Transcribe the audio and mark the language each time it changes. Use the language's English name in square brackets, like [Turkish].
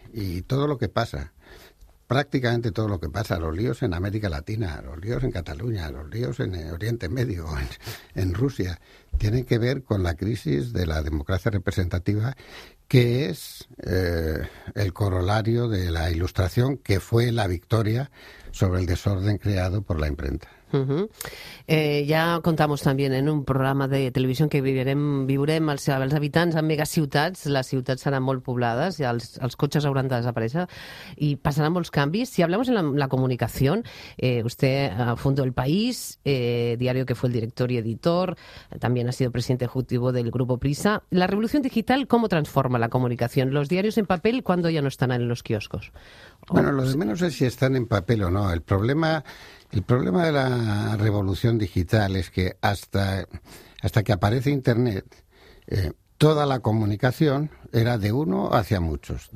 [Spanish] Y todo lo que pasa, prácticamente todo lo que pasa, los líos en América Latina, los líos en Cataluña, los líos en Oriente Medio, en Rusia, tienen que ver con la crisis de la democracia representativa, que es el corolario de la Ilustración, que fue la victoria sobre el desorden creado por la imprenta. [Catalan] Ja contamos també en un programa de televisió que viurem els habitants en megaciutats, les ciutats seran molt poblades i els cotxes hauran de desaparèixer i passaran molts canvis. [Spanish] Si hablamos en la comunicació, usted fundó El País, diario que fue el director y editor, también ha sido presidente ejecutivo del Grupo Prisa. [Catalan] La revolució digital, [Spanish] ¿cómo transforma la comunicación? ¿Los diarios en papel cuando ya no están en los quioscos? Bueno, lo de menos es si están en papel o no. El problema de la revolución digital es que hasta que aparece Internet, toda la comunicación era de uno hacia muchos.